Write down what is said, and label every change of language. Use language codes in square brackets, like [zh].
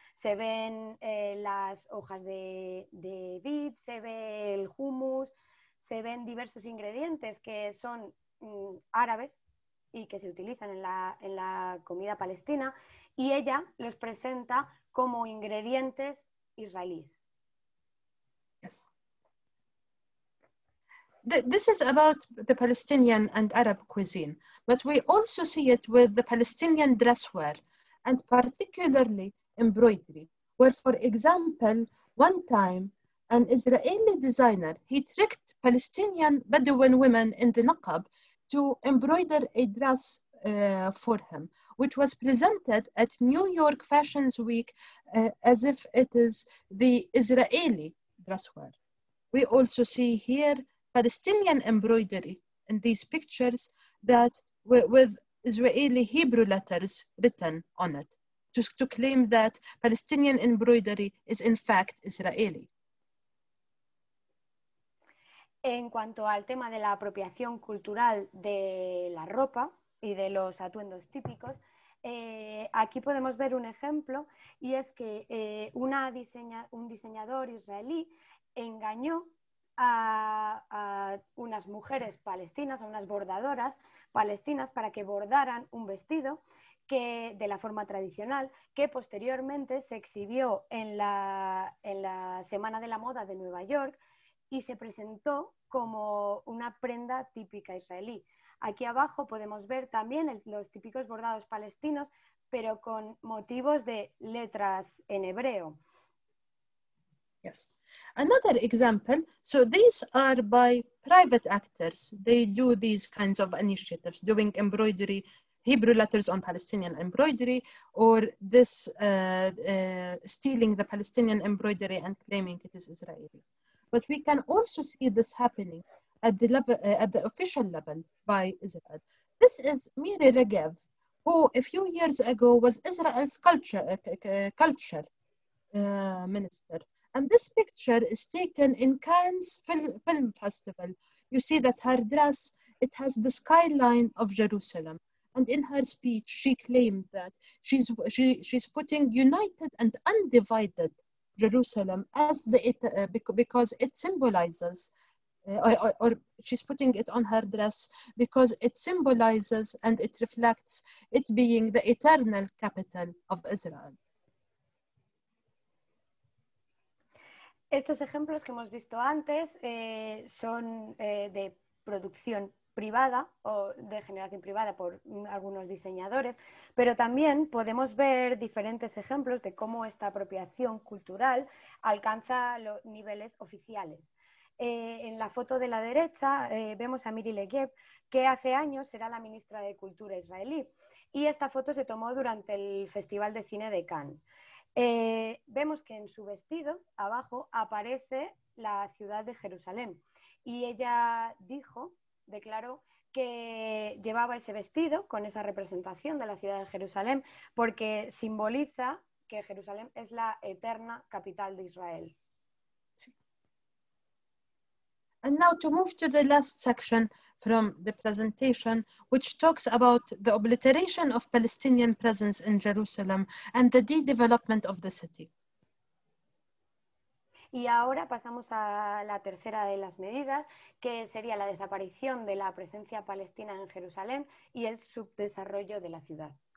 [es] Se ven las hojas de vid, se ve el hummus, se ven diversos ingredientes que son árabes y que se utilizan en la comida palestina, y ella los presenta como ingredientes israelíes. [en] Yes. This is about the Palestinian and Arab cuisine, but we also see it with the Palestinian dresswear, and particularly embroidery, where, for example, one time an Israeli designer, he tricked Palestinian Bedouin women in the Naqab to embroider a dress for him, which was presented at New York Fashion Week as if it is the Israeli dresswear. We also see here Palestinian embroidery in these pictures that with Israeli Hebrew letters written on it, to claim that Palestinian embroidery is in fact Israeli. [es] En cuanto al tema de la apropiación cultural de la ropa y de los atuendos típicos, aquí podemos ver un ejemplo, y es que un diseñador israelí engañó a unas mujeres palestinas, a unas bordadoras palestinas, para que bordaran un vestido que de la forma tradicional, que posteriormente se exhibió en la Semana de la Moda de Nueva York y se presentó como una prenda típica israelí. Aquí abajo podemos ver también los típicos bordados palestinos, pero con motivos de letras en hebreo. [en] Yes. Another example, so these are by private actors. They do these kinds of initiatives, doing embroidery Hebrew letters on Palestinian embroidery, or this stealing the Palestinian embroidery and claiming it is Israeli. But we can also see this happening at the level, at the official level by Israel. This is Miri Regev, who a few years ago was Israel's culture minister. And this picture is taken in Cannes Film Festival. You see that her dress, it has the skyline of Jerusalem. And in her speech, she claimed that she's putting united and undivided Jerusalem as the because it symbolizes, or she's putting it on her dress because it symbolizes and it reflects it being the eternal capital of Israel. [es] Estos ejemplos que hemos visto antes son de producción privada o de generación privada por algunos diseñadores, pero también podemos ver diferentes ejemplos de cómo esta apropiación cultural alcanza los niveles oficiales. En la foto de la derecha vemos a Miri Regev, que hace años era la ministra de Cultura israelí, y esta foto se tomó durante el Festival de Cine de Cannes. Vemos que en su vestido, abajo, aparece la ciudad de Jerusalén, y ella dijo, declaró que llevaba ese vestido con esa representación de la ciudad de Jerusalén porque simboliza que Jerusalén es la eterna capital de Israel. [en] And now to move to the last section from the presentation, which talks about the obliteration of Palestinian presence in Jerusalem and the de-development of the city. [es] Y ahora pasamos a la tercera de las medidas, que sería la desaparición de la presencia palestina en Jerusalén y el subdesarrollo de la ciudad.